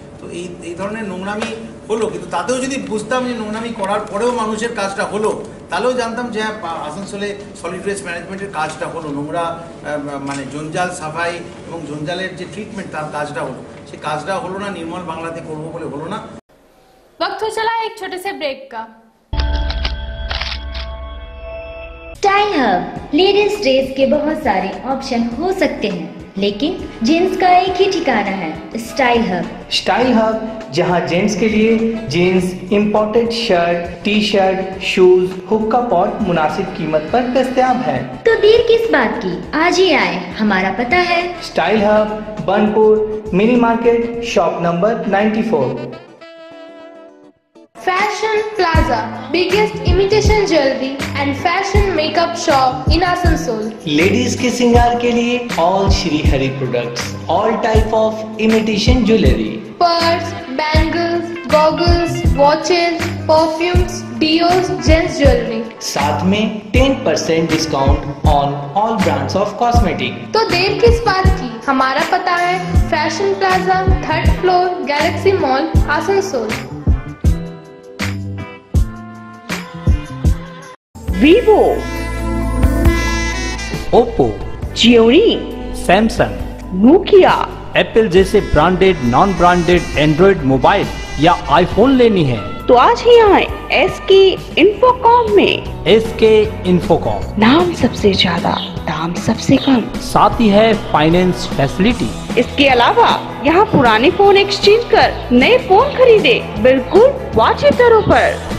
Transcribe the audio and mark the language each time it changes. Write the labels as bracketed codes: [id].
[bn] তো এই এই ধরনের নোংরামি হলো, কিন্তু তাতেও যদি বুঝতাম যে নোংরামি করার পরেও মানুষের কাজটা হলো তাহলেও জানতাম যে আসানসোলে সলিড ওয়েস্ট ম্যানেজমেন্টের কাজটা হলো, নোংরা মানে জঞ্জাল সাফাই এবং জঞ্জালের যে ট্রিটমেন্ট তার কাজটা হলো, সে কাজটা হলো না, নির্মল বাংলাতে করবো বলে হলো না। [hi] वक्त हो चला एक छोटे से ब्रेक का। StyleHub लेडीज ड्रेस के बहुत सारे ऑप्शन हो सकते हैं लेकिन जेंट्स का एक ही ठिकाना है StyleHub जहां जेंट्स के लिए jeans imported shirt T shirt shoes hookup और मुनासिब कीमत पर दस्तयाब है। तो देर किस बात की, आज ही आए, हमारा पता है StyleHub Burnpur mini market shop number 94। [en] Fashion Plaza, biggest imitation jewelry and fashion makeup shop in Asansol. Ladies [hi] ke singar ke liye [en] all Shri Hari products, all type of imitation jewelry. Purse, bangles, goggles, watches, perfumes, dios, gents jewelry. [hi] Saath mein [en] 10% discount on all brands of cosmetic. [hi] To der kis baat ki, hamara pata hai Fashion Plaza, 3rd floor, Galaxy Mall, Asansol. Vivo, Oppo, Xiaomi, Samsung, Nokia, Apple जैसे branded, non-branded Android mobile या iPhone लेनी है तो आज ही आएं SK Infocom में। SK Infocom, नाम सबसे ज्यादा, दाम सबसे कम, साथ ही है finance facility। इसके अलावा यहाँ पुराने फोन एक्सचेंज कर नए फोन खरीदे बिल्कुल वाजिब दरों पर।